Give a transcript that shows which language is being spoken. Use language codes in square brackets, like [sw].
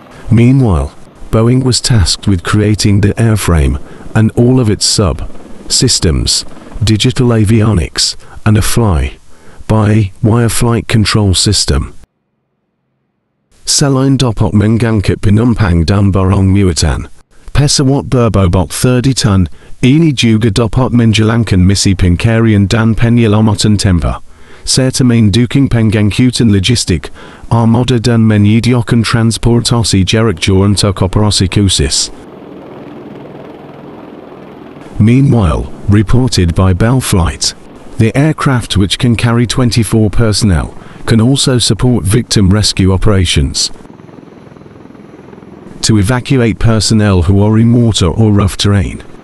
[en] Meanwhile, Boeing was tasked with creating the airframe and all of its sub-systems, digital avionics, and a fly-by-wire flight control system. [id] Selain dapat menggangkut penumpang dan barang muatan, pesawat berbobot 30 ton ini juga dapat menjalankan misi pencarian dan penyelamatan tempur, serta mendukung penggangkutan logistik armada dan menyediakan transportasi jarak jauh untuk operasi khusus. [en] Meanwhile, reported by Bell Flight, the aircraft, which can carry 24 personnel, can also support victim rescue operations to evacuate personnel who are in water or rough terrain.